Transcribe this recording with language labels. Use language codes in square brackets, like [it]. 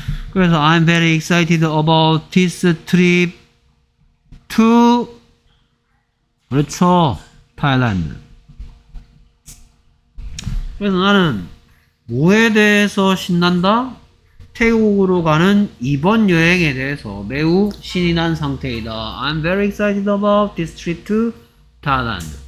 [ko] 그래서 [en] I'm very excited about this trip to, [ko] 그렇죠, [en] Thailand. [ko] 그래서 나는 뭐에 대해서 신난다? 태국으로 가는 이번 여행에 대해서 매우 신이 난 상태이다. [en] I'm very excited about this trip to Thailand.